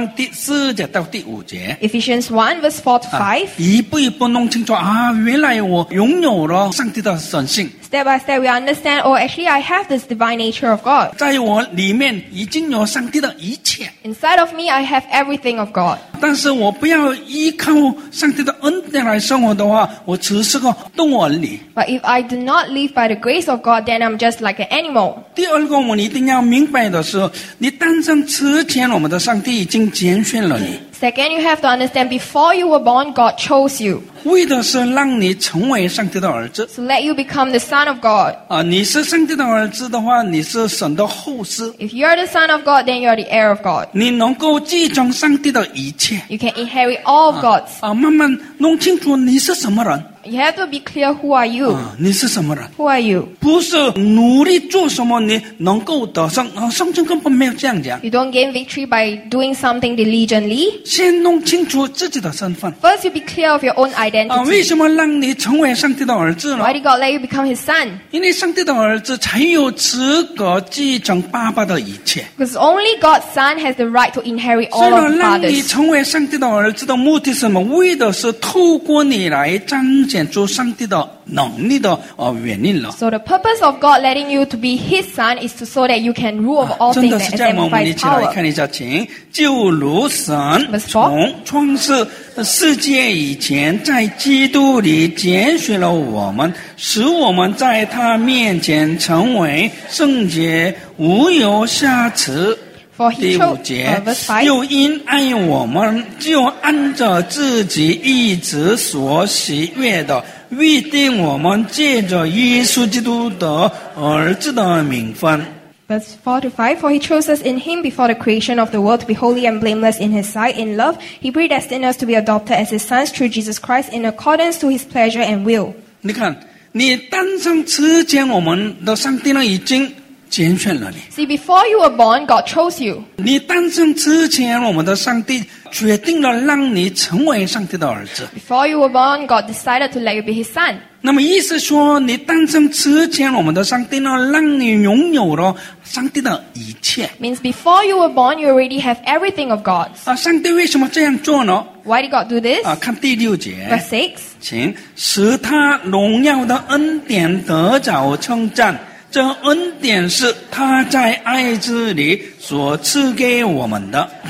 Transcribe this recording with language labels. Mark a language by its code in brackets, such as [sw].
[zh] 我们一起来看一下这个以弗所书第一章第4节到第5节。 [en] Ephesians 1 verse 4 to 5. [zh] 啊, 一步一步弄清楚, 啊, 原来我拥有了上帝的神性。 [en] Step by step, we understand, oh, actually, I have this divine nature of God. [zh] 在我里面已经有上帝的一切。 [en] Inside of me, I have everything of God. [zh] 但是我不要依靠上帝的恩典来生活的话, 我只是个动物而已。 [en] But if I do not live by the grace of God, then I'm just like an animal. [zh] 第二个我们一定要明白的是, 你诞生之前我们的上帝已经拣选了你。 [en] Second, you have to understand, before you were born, God chose you. [zh] 为的是让你成为上帝的儿子。 [en] So let you become the son of God. [zh] 啊, 你是上帝的儿子的话, 你是神的后嗣。 [en] If you are the son of God, then you are the heir of God. [zh] 你能够继承上帝的一切。 [en] You can inherit all of God's. [zh] 啊, 慢慢弄清楚你是什么人。 [en] You have to be clear, who are you? [zh] 啊, 你是什么人? [en] Who are you? [zh] 不是努力做什么你能够得胜, 啊, 圣经根本没有这样讲。 [en] You don't gain victory by doing something diligently. [zh] 先弄清楚自己的身份。 [en] First, you be clear of your own identity. [zh] 啊, 为什么让你成为上帝的儿子呢? [en] Why did God let you become His son? [zh] 因为上帝的儿子才有资格继承爸爸的一切。 [en] Because only God's son has the right to inherit all of the fathers. [zh] 让你成为上帝的儿子的目的是什么? 为的是透过你来彰显见主上帝的能力的原因了。 [en] So the purpose of God letting you to be His son is to so that you can rule over all things and exercise power. [zh] 真的是这样，我们一起来看一下，请就如神从创世世界以前，在基督里拣选了我们，使我们在他面前成为圣洁，无有瑕疵。第五节，又因爱我们，就按着自己意志所喜悦的，预定我们借着耶稣基督的儿子的名分。 [en] Verse 4 to 5, for he chose us in him before the creation of the world to be holy and blameless in his sight. In love, he predestined us to be adopted as his sons through Jesus Christ in accordance to his pleasure and will. [zh] 你看，你诞生之前，我们的上帝呢已经拣选了你。 [en] See, before you were born, God chose you. [zh] 你诞生之前，我们的上帝决定了让你成为上帝的儿子。 [en] Before you were born, God decided to let you be his son. [zh] 那么意思说，你诞生之前，我们的上帝呢，让你拥有了上帝的一切。 [en] Means before you were born, you already have everything of God's. [zh] 啊，上帝为什么这样做呢？ [en] Why did God do this? [zh] 啊，看第六节。 [en] Verse 6. [zh] 请使他荣耀的恩典得着称赞。这恩典是他在爱之里所赐给我们的。